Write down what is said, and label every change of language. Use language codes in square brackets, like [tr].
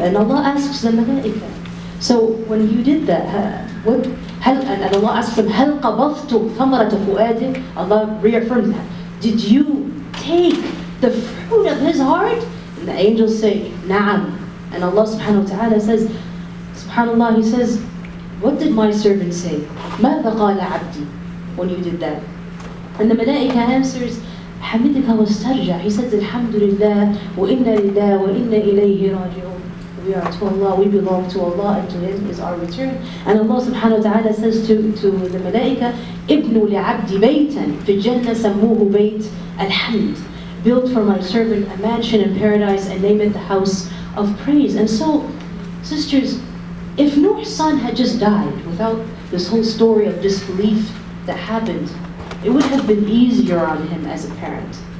[en] And Allah asks the malaika, so when you did that, and Allah asks him, [ar] هَلْ قَبَضْتُمْ ثَمَرَةَ فُؤَادِهِ. [en] Allah reaffirms that. Did you take the fruit of his heart? And the angels say, Na'am. And Allah subhanahu wa ta'ala says, SubhanAllah, he says, what did my servant say? [ar] ماذا قال عبدي? [en] When you did that. And the malaika answers, [ar] حَمِدِكَ وَاسْتَرْجَعْ. [en] He says, [ar] Alhamdulillah, وَإِنَّ لِلَّهِ وَإِنَّ إِلَيْهِ رَاجِعُونَ. [en] We are to Allah, we belong to Allah, and to Him is our return. And Allah subhanahu wa ta'ala says to the malaika, [ar] ابْنُوا لِعَبْدِ بَيْتًا فِي الْجَنَّةِ سَمُّوهُ بَيْتَ الْحَمْدِ. [en] Build for my servant a mansion in paradise and name it the house of praise. And so, sisters, if Nuh's son had just died without this whole story of disbelief that happened, it would have been easier on him as a parent.